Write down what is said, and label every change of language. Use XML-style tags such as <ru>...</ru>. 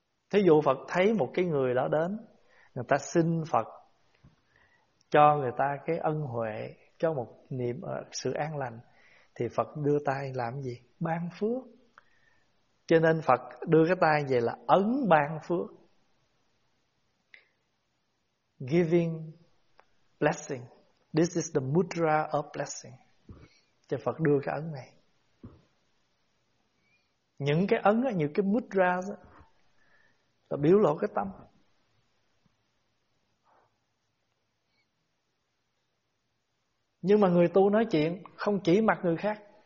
<vi>Thí dụ Phật thấy một cái người đó đến, người ta xin Phật cho người ta cái ân huệ, cho một niệm sự an lành, thì Phật đưa tay làm gì? Ban phước. Cho nên Phật đưa cái tay về là ấn ban phước.</vi> <en>Giving blessing. This is the mudra of blessing.</en> <vi>Cho Phật đưa cái ấn này. Những cái ấn á, như cái mudra á, là biểu lộ cái tâm. Nhưng mà người tu nói chuyện không chỉ mặt người khác.</vi>